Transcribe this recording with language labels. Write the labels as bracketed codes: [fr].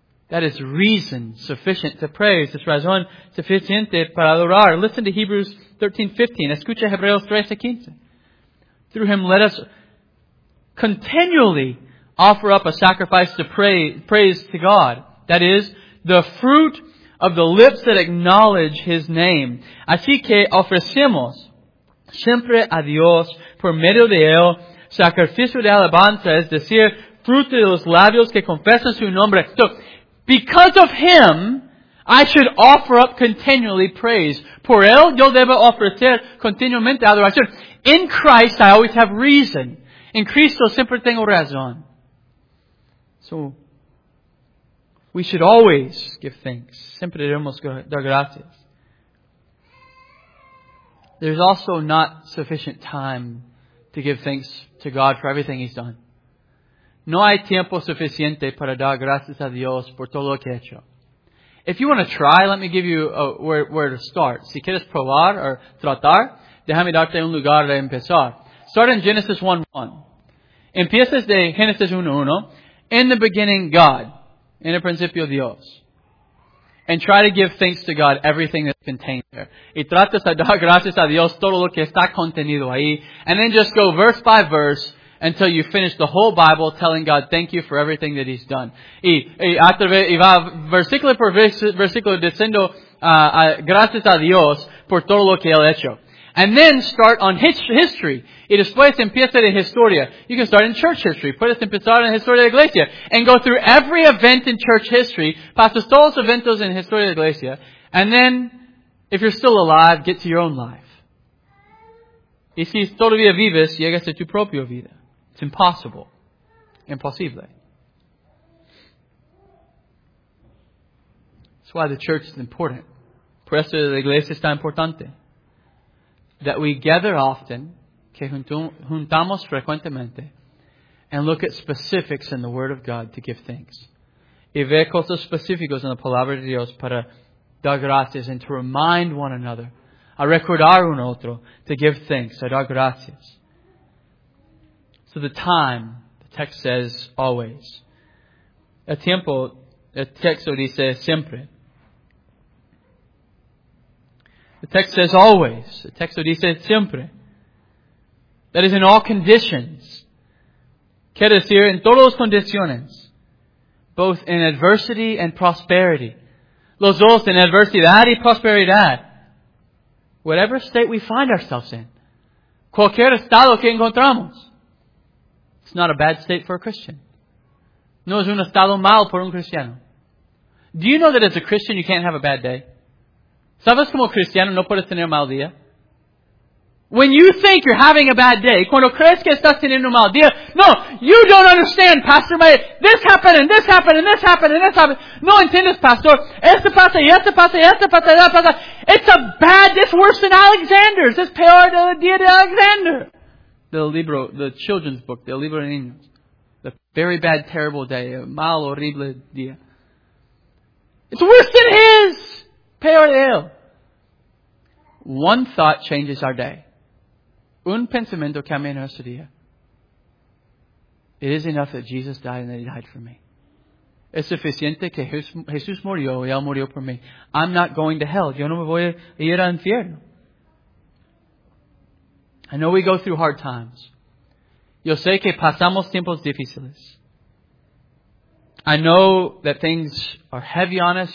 [en] That is reason sufficient to praise. [es] Es razón suficiente para adorar. [en] Listen to Hebrews 13:15. [es] Escucha Hebreos 13:15. [en] Through him, let us continually offer up a sacrifice to praise to God. That is, the fruit of the lips that acknowledge His name. [es] Así que ofrecemos siempre a Dios por medio de Él sacrificio de alabanza, es decir, fruto de los labios que confesan su nombre. [en] So, because of Him, I should offer up continually praise. [es] Por Él, yo debo ofrecer continuamente adoración. [en] In Christ, I always have reason. [es] En Cristo, siempre tengo razón. [en] So, we should always give thanks. [es] Siempre debemos dar gracias. [en] There's also not sufficient time to give thanks to God for everything He's done. [es] No hay tiempo suficiente para dar gracias a Dios por todo lo que ha hecho. [en] If you want to try, let me give you where to start. [es] Si quieres probar o tratar, déjame darte un lugar de empezar. [en] Start in Genesis 1:1. [es] Empiezas de Genesis 1:1. [en] In the beginning, God. [es] En el principio, Dios. [en] And try to give thanks to God everything that's contained there. [es] Y tratas de dar gracias a Dios todo lo que está contenido ahí. [en] And then just go verse by verse until you finish the whole Bible telling God thank you for everything that He's done. [es] Y va versículo por versículo diciendo gracias a Dios por todo lo que Él ha hecho. [en] And then start on history. [es] Y después empieza la historia. [en] You can start in church history. [es] Puedes empezar en la historia de la iglesia. [en] And go through every event in church history. [es] Pasas todos los eventos en la historia de la iglesia. [en] And then, if you're still alive, get to your own life. [es] Y si todavía vives, llegas a tu propia vida. [en] It's impossible. Imposible. That's why the church is important. [es] Por eso la iglesia está importante. [en] That we gather often, [es] que juntamos frecuentemente, [en] and look at specifics in the Word of God to give thanks. [es] Y ver cosas específicas en la Palabra de Dios para dar gracias [en] and to remind one another, [es] a recordar uno otro, [en] to give thanks, [es] a dar gracias. [en] So the time, the text says, always. [es] El tiempo, el texto dice, siempre. [en] The text says always. The text [es] dice siempre. [en] That is in all conditions. [es] Quiere decir en todas las condiciones. [en] Both in adversity and prosperity. [es] Los dos en adversidad y prosperidad. [en] Whatever state we find ourselves in. [es] Cualquier estado que encontramos. [en] It's not a bad state for a Christian. [es] No es un estado mal por un cristiano. [en] Do you know that as a Christian you can't have a bad day? [es] ¿Sabes como cristiano no puedes tener mal día? [en] When you think you're having a bad day, [es] cuando crees que estás teniendo mal día, [en] no, you don't understand, pastor, this happened, and this happened, and this happened, and this happened. [es] No entiendes, pastor. Este pasa, y este pasa, y este pasa, y este pasa. [en] It's a bad, it's worse than Alexander's. It's [es] peor del día de Alexander. The libro, [en] the children's book, [es] the libro de niños. [en] The very bad, terrible day, [es] a mal, horrible día. [en] It's worse than his. [es] Peor de él. [en] One thought changes our day. [es] Un pensamiento cambia nuestro día. [en] It is enough that Jesus died and that he died for me. [es] Es suficiente que Jesús murió y él murió por mí. [en] I'm not going to hell. [es] Yo no me voy a ir al infierno. [en] I know we go through hard times. [es] Yo sé que pasamos tiempos difíciles. [en] I know that things are heavy on us.